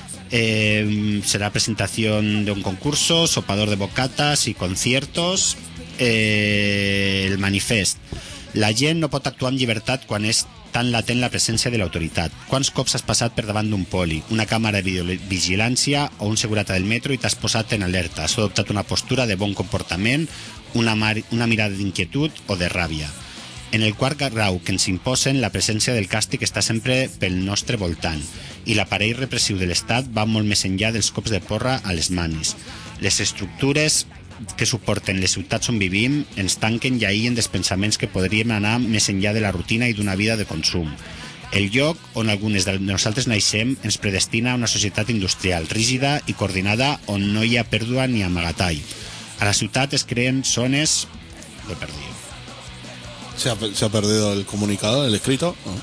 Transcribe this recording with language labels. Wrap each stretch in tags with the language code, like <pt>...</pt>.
<es>Será presentación de un concurso, sopador de bocatas y conciertos.</es> <ca>El manifest. La gent no pot actuar en llibertat quan és tan latent la presència de l'autoritat. Quants cops has passat per davant d'un poli, una càmera de videovigilància o un segurata del metro i t'has posat en alerta? Has adoptat una postura de bon comportament, una mirada d'inquietud o de ràbia? En el quart grau que ens imposen, la presència del càstig està sempre pel nostre voltant i l'aparell repressiu de l'Estat va molt més enllà dels cops de porra a les manis. Les estructures que suporten les ciutats on vivim ens tanquen i aïllen dels pensaments que podríem anar més enllà de la rutina i d'una vida de consum. El lloc on algunes de nosaltres naixem ens predestina a una societat industrial rígida i coordinada on no hi ha pèrdua ni amagatall. A la ciutat es creen zones...</ca> <es>Lo he perdido. Se ha perdido el comunicado, el escrito.</es>